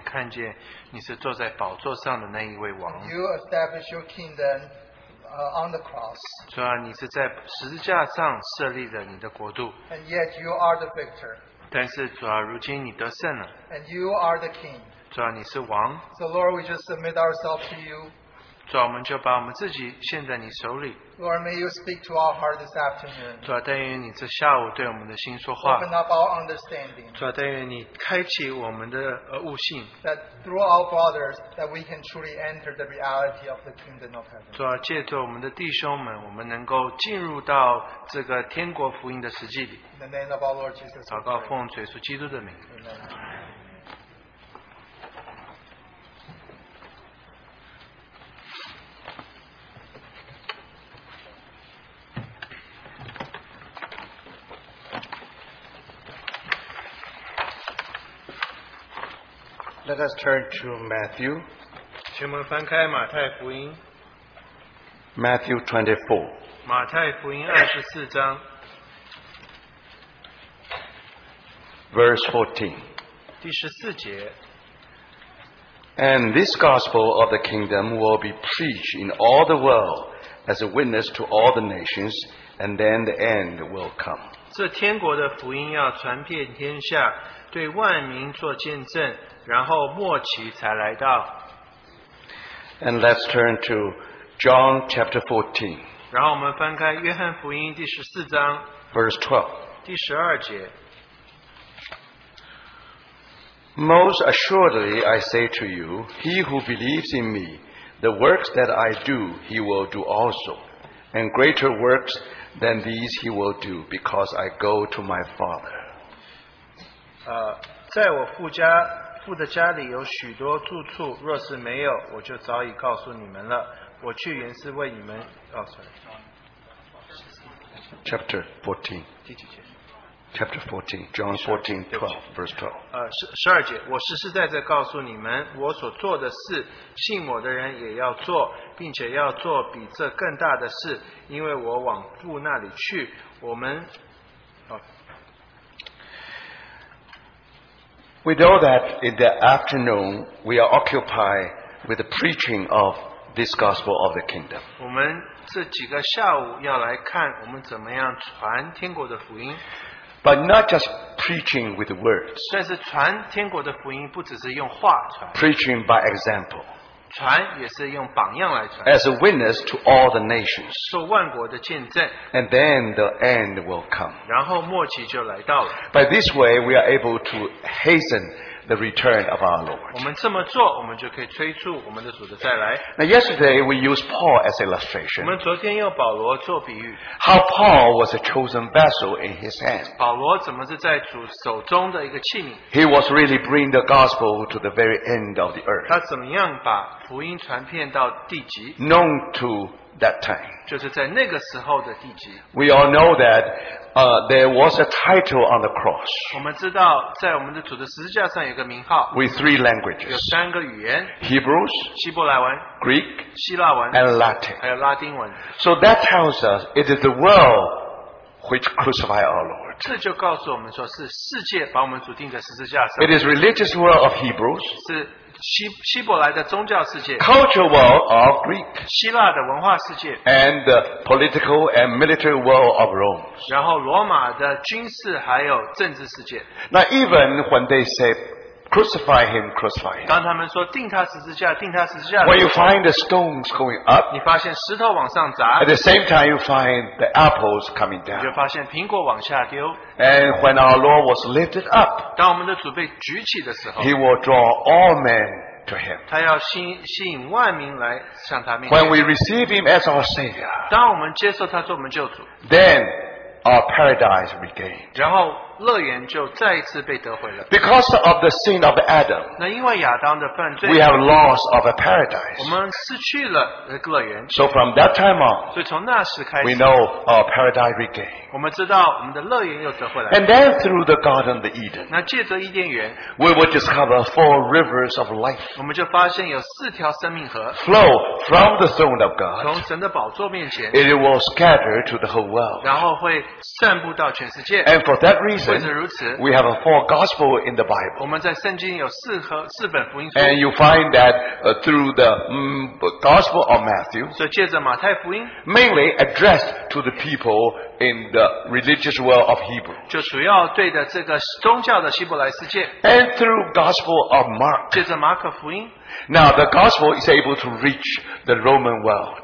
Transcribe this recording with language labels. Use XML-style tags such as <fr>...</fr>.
<zh>主啊，求你打开我们的心眼，看见你是坐在宝座上的那一位王。</zh> <en>You establish your kingdom on the cross.</en> <zh>主啊，你是在十字架上设立着你的国度。</zh> <en>And yet you are the victor.</en> <zh>但是主啊，如今你得胜了。</zh> <en>And you are the King.</en> <zh>主啊，你是王。</zh> <en>So Lord, we just submit ourselves to you.</en> <zh>主啊，我们就把我们自己献在你手里。</zh> <en>Lord, may you speak to our heart this afternoon.</en> <zh>主啊，但愿你这下午对我们的心说话。</zh> <en>Open up our understanding.</en> <zh>主啊，但愿你开启我们的悟性。</zh> <en>That through our brothers, that we can truly enter the reality of the kingdom of heaven.</en> <zh>主啊，借着我们的弟兄们，我们能够进入到这个天国福音的实际里。</zh> <en>In the name of our Lord Jesus Christ.</en> <zh>祷告奉主耶稣基督的名。</zh> <en>Let us turn to Matthew.</en> <zh>请我们翻开马太福音,</zh> <en>Matthew 24.</en> <zh>马太福音 24章,</zh> <en>verse</en> <zh>14. 第14节,</zh> <en>and this gospel of the kingdom will be preached in all the world as a witness to all the nations, and then the end will come.</en> <zh>这天国的福音要传遍天下, 对万民做见证, 然后末期才来到。</zh> <en>And let's turn to John chapter 14.</en> <zh>然后我们翻开约翰福音第14章,</zh> <en>verse 12.</en> <zh>第12节,</zh> <en>most assuredly I say to you, he who believes in me, the works that I do, he will do also. And greater works than these he will do, because I go to my Father.</en> <zh>在我父家，父的家里有许多住处，若是没有，我就早已告诉你们了。我去原是为你们。</zh> <en>Chapter 14.</en> <zh>第几节？</zh> <en>Chapter 14, John 14:12, verse 12。</en> <zh>十二节，我实实在在告诉你们，我所做的事，信我的人也要做，并且要做比这更大的事，因为我往父那里去。我们。</zh> <en>We know that in the afternoon we are occupied with the preaching of this gospel of the kingdom.</en> <zh>这几个下午要来看我们怎么样传天国的福音。</zh> <en>But not just preaching with words.</en> <zh>但是传天国的福音不只是用话传。</zh> <en>Preaching by example.</en> <zh>传也是用榜样来传。</zh> <en>As a witness to all the nations.</en> <zh>做万国的见证。</zh> <en>And then the end will come.</en> <zh>然后末期就来到了。</zh> <en>By this way, we are able to hasten the return of our Lord.</en> <zh>我们这么做，我们就可以催促我们的主的再来。</zh> <en>Now yesterday, we used Paul as illustration.</en> <zh>我们昨天用保罗做比喻。</zh> <en>How Paul was a chosen vessel in his hand.</en> <zh>保罗怎么是在主手中的一个器皿。</zh> <en>He was really bringing the gospel to the very end of the earth.</en> <zh>他怎么样把福音传遍到地极。</zh> <en>Known to that time.</en> <zh>就是在那个时候的地极。</zh> <en>We all know that there was a title on the cross.</en> <zh>我们知道在我们的主的十字架上有个名号。</zh> <en>With three languages.</en> <zh>有三个语言。</zh> <en>Hebrews.</en> <zh>希伯来文。</zh> <en>Greek.</en> <zh>希腊文。</zh> <en>And Latin.</en> <zh>还有拉丁文。</zh> <en>So that tells us it is the world which crucified our Lord.</en> <zh>这就告诉我们说是世界把我们主钉在十字架上。</zh> <en>It is religious world of Hebrews.</en> <zh>是希伯来的宗教世界。</zh> <en>Cultural world of Greek.</en> <zh>希腊的文化世界。</zh> <en>And the political and military world of Rome.</en> <zh>然后罗马的军事还有政治世界。</zh> <en>Now even when they say crucify him, crucify him.</en> <zh>当他们说钉他十字架，钉他十字架。</zh> <en>When you find the stones going up.</en> <zh>你发现石头往上砸。</zh> <en>At the same time you find the apples coming down.</en> <zh>你就发现苹果往下丢。</zh> <en>And when our Lord was lifted up,</en> <zh>当我们的主被举起的时候，</zh> <en>He will draw all men to Him.</en> <zh>他要吸引万民来向他面前。</zh> <en>When we receive Him as our Savior,</en> <zh>当我们接受他做我们救主，</zh> <en>then our paradise regained.</en> <zh>然后乐园就再一次被得回了。</zh> <en>Because of the sin of Adam,</en> <zh>那因为亚当的犯罪，</zh> <en>we have loss of a paradise.</en> <zh>我们失去了乐园。</zh> <en>So from that time on,</en> <zh>所以从那时开始，</zh> <en>we know our paradise regained.</en> <zh>我们知道我们的乐园又得回来。</zh> <en>And then through the Garden of Eden,</en> <zh>那借着伊甸园，</zh> <en>we will discover four rivers of life.</en> <zh>我们就发现有四条生命河，</zh> <en>flow from the throne of God.</en> <zh>从神的宝座面前，</zh> <en>it will scatter to the whole world.</en> <zh>然后会散布到全世界。</zh> <en>And for that reason,</en> <zh>为此如此,</zh> <en>we have a four gospel in the Bible.</en> <zh>我们在圣经有四本福音书。</zh> <en>And you find that through the gospel of Matthew.</en> <zh>所以借着马太福音。</zh> <en>Mainly addressed to the people in the religious world of Hebrew.</en> <zh>就主要对的这个宗教的希伯来世界。</zh> <en>And through gospel of Mark.</en> <zh>借着马可福音。</zh> <en>Now the gospel is able to reach the Roman world.</en>